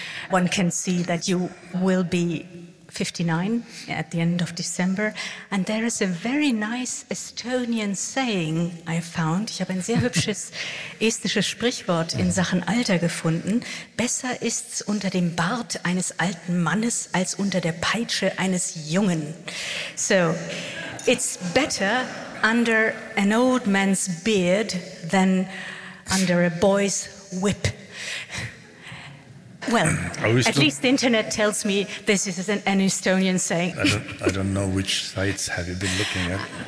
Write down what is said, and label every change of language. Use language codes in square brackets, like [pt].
[en] One can see that you will be 59 at the end of December. And there is a very nice Estonian saying I found. [de] Ich habe ein sehr hübsches estnisches Sprichwort in Sachen Alter gefunden. Besser ist's unter dem Bart eines alten Mannes als unter der Peitsche eines Jungen. [en] So, it's better under an old man's beard than under a boy's whip. Well, at least the internet tells me this is an Estonian saying. I don't know which sites have you been looking at.